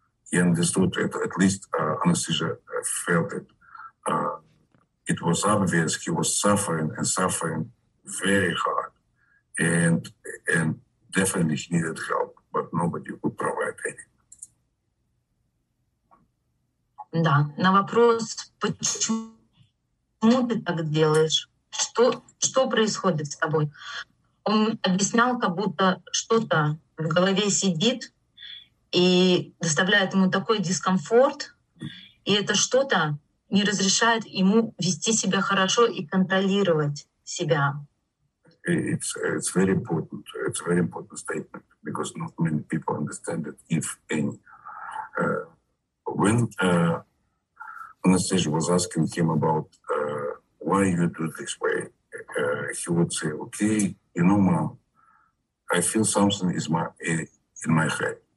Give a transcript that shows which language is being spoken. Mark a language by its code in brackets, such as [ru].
[en] He understood it, at least anesthesia felt it. It was obvious he was suffering and suffering very hard, and definitely he needed help, but nobody would provide any. [ru] Да, на вопрос, почему ты так делаешь, что происходит с тобой, он объяснял, как будто что-то в голове сидит и доставляет ему такой дискомфорт, и это что-то не разрешает ему вести себя хорошо и контролировать себя. [en] It's very important. It's a very important statement because not many people understand it, if any. When Anastasia was asking him about why you do it this way, he would say, "Okay, you know, mom, I feel something is in my head.